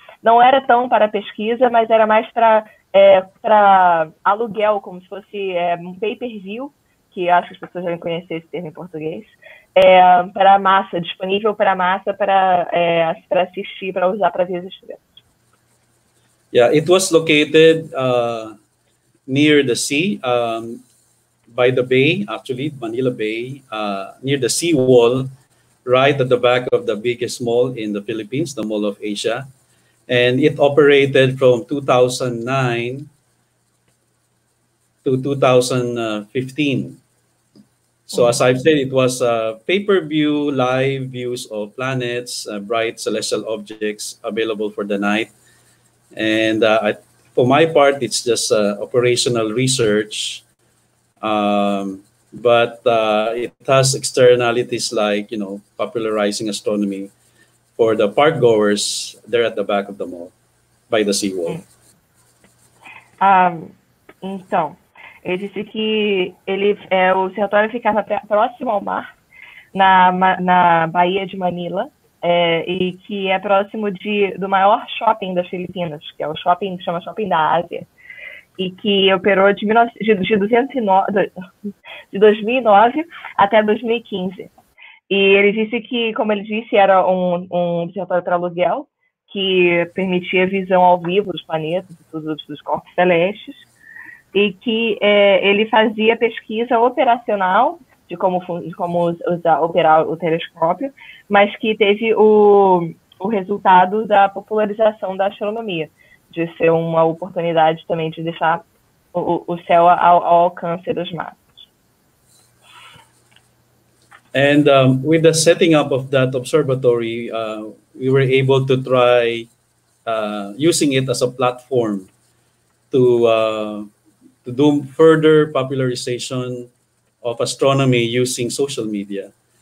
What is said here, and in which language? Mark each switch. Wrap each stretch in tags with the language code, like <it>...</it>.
<pt>Não era tão para pesquisa, mas era mais para aluguel, como se fosse um pay-per-view, que acho que as pessoas devem conhecer esse termo em português, para a massa, disponível para a massa, para para assistir, para usar, para ver as estrelas.</pt> <en>Yeah, it was located near the sea, by the bay, actually, Manila Bay, near the sea wall, right at the back of the biggest mall in the Philippines, the Mall of Asia. And it operated from 2009 to 2015. So as I've said, it was a pay-per-view live views of planets, bright celestial objects available for the night. And for my part, it's just operational research. But it has externalities like, you know, popularizing astronomy for the park goers there at the back of the mall, by the seawall.</en> <pt>Então, ele disse que o observatório ficava próximo ao mar, na Baía de Manila, e que é próximo do maior shopping das Filipinas, que é o shopping, que chama Shopping da Ásia. E que operou de 2009 até 2015. E ele disse que, como ele disse, era um observatório para aluguel, que permitia visão ao vivo dos planetas, dos corpos celestes, e que ele fazia pesquisa operacional de como operar o telescópio, mas que teve o resultado da popularização da astronomia, de ser uma oportunidade também de deixar o céu ao alcance dos mares.</pt> <en>And with the setting up of that observatory, we were able to try using it as a platform to do further popularization of astronomy using social media.</en>